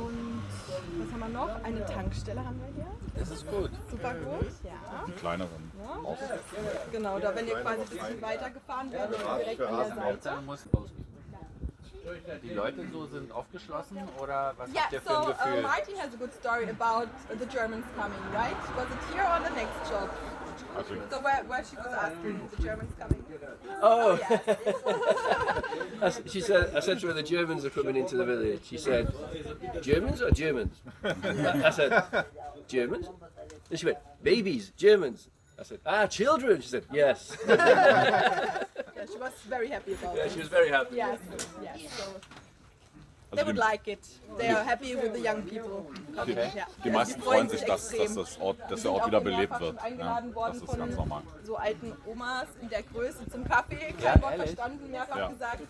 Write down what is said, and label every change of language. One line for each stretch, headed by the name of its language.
German: Und was haben wir noch? Eine Tankstelle haben wir hier. Das ist gut. Super gut, ja. Die kleineren. Ja. Genau, da wenn ihr quasi ein bisschen weitergefahren werdet, ja, direkt an der Seite. Die Leute so sind aufgeschlossen oder was habt ihr für ein Gefühl?
English: Yeah, so Marty has a good story about the Germans coming, right? Was it here or the next job? So where she was asking, the Germans coming? Oh, oh yes. She said, I said to her, the Germans are coming into the village. She said, Germans or Germans? I said, Germans? And she went, babies, Germans. I said, ah, children. She said, yes. Yeah, she was very happy about it. Yeah, she was very happy. Yes, yes. They would like it. They are happy with the young people. Okay.
German: Die meisten freuen sich, dass der Ort wieder belebt wird. Ja, das ist ganz normal. So alten Omas in der Größe zum Kaffee, kein Wort verstanden, mehrfach gesagt.